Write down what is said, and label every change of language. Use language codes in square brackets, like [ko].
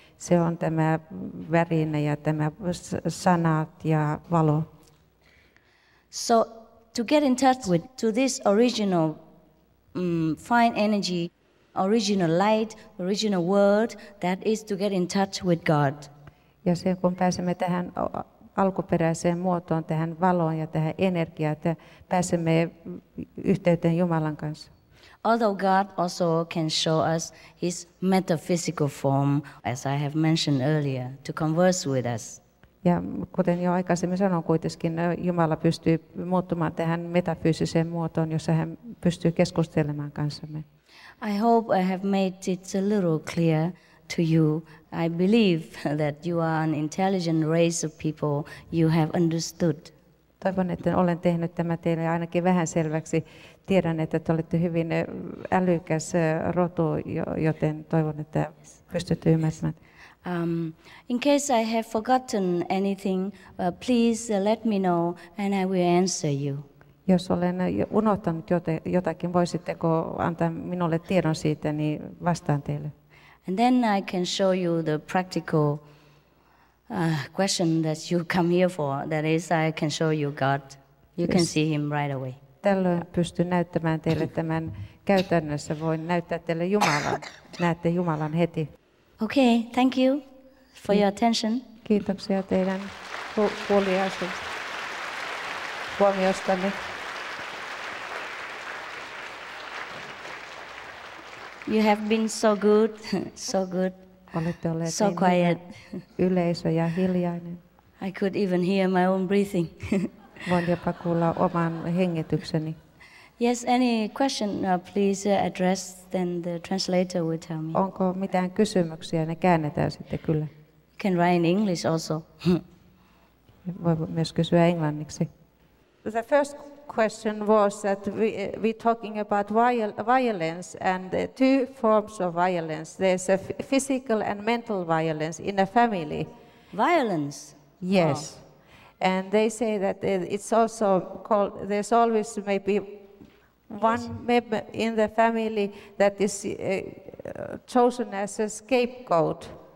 [fi] Se on tämä värinä ja tämä sanat ja valo. [en] So to get in touch with to this original fine energy, original light, original word, that is to get in touch with God. [fi] Ja sen kun pääsemme tähän alkuperäiseen muotoon, tähän valoon ja tähän energiaan, että pääsemme yhteyteen Jumalan kanssa. [en] Although God also can show us his metaphysical form, as I have mentioned earlier, to converse with us. [fi] Ja kuten jo aikaisemmin sanoin, kuitenkin Jumala pystyy muuttumaan tähän metafyysiseen muotoon, jossa hän pystyy keskustelemaan kanssamme. [en] I hope I have made it a little clear to you. I believe that you are an intelligent race of people. You have understood. [fi] Toivon, että olen tehnyt tämä teille ainakin vähän selväksi. Tiedän, että te olette hyvin älykäs rotu, joten toivon, että pystytte ymmärtämään. [en] In case I have forgotten anything, please let me know and I will answer you. [fi] Jos olen unohtanut jotakin, voisitteko antaa minulle tiedon siitä, niin vastaan teille. [en] And then I can show you the practical question that you come here for. That is, I can show you God. You can see him right away. [fi] Tällöin pystyn näyttämään teille tämän käytännössä. Voin näyttää teille Jumalan. Näette Jumalan heti. [en] Okay, thank you for your attention. [fi] Kiitoksia teidän huoliasuus. Huomiostani. [en] You have been so good, so good, [fi] olette olleet [en] so quiet. [fi] Yleisö ja hiljainen. [en] I could even hear my own breathing. [fi] Voin jopa kuulla oman hengitykseni. [en] Yes, any question, please address, then the translator will tell me. [fi] Onko mitään kysymyksiä, ne käännetään sitten kyllä. [en] You can write in English also. [fi] Voi myös kysyä englanniksi. [en] The first question was that we're talking about violence and the two forms of violence. There's a physical and mental violence in a family. Violence? Yes. Oh. And they say that it's also called, there's always maybe one member in the family that is chosen as a scapegoat.